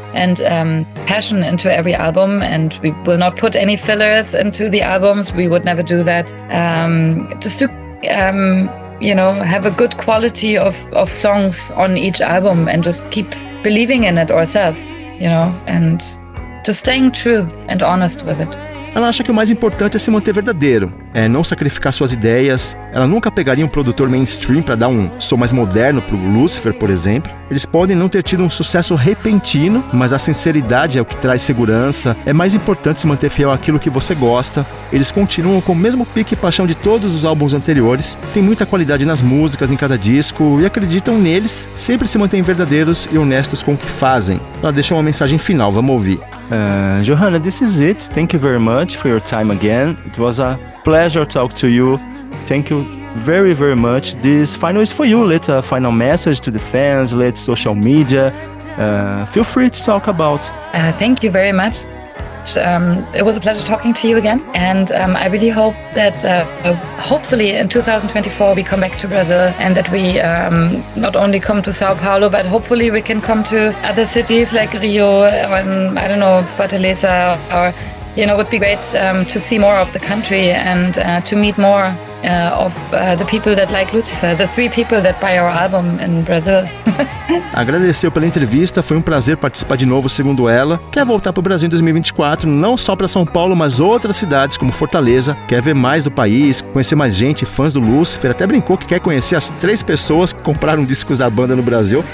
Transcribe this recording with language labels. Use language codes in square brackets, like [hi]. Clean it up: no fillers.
[en] and passion into every album, and we will not put any fillers into the albums. We would never do that. Just to you know, have a good quality of songs on each album and just keep believing in it ourselves, you know, and just staying true and honest with it. [pt] Ela acha que o mais importante é se manter verdadeiro, é não sacrificar suas ideias. Ela nunca pegaria um produtor mainstream para dar um som mais moderno pro Lucifer, por exemplo. Eles podem não ter tido um sucesso repentino, mas a sinceridade é o que traz segurança. É mais importante se manter fiel àquilo que você gosta. Eles continuam com o mesmo pique e paixão de todos os álbuns anteriores. Tem muita qualidade nas músicas, em cada disco, e acreditam neles. Sempre se mantêm verdadeiros e honestos com o que fazem. Ela deixa uma mensagem final, vamos ouvir. [en] Johanna, this is it. Thank you very much for your time again. It was a pleasure to talk to you. Thank you very, very much. This final is for you. Let a final message to the fans, let social media. Feel free to talk about. Thank you very much. It was a pleasure talking to you again. And I really hope that hopefully in 2024 we come back to Brazil, and that we not only come to Sao Paulo, but hopefully we can come to other cities like Rio, and I don't know, Fortaleza, or, you know, it would be great to see more of the country and to meet more of the people that like Lucifer, the three people that buy our album in Brazil. [pt] Agradeceu pela entrevista, foi um prazer participar de novo, segundo ela. Quer voltar para o Brasil em 2024, não só para São Paulo, mas outras cidades como Fortaleza. Quer ver mais do país, conhecer mais gente, fãs do Lucifer. Até brincou que quer conhecer as três pessoas que compraram discos da banda no Brasil.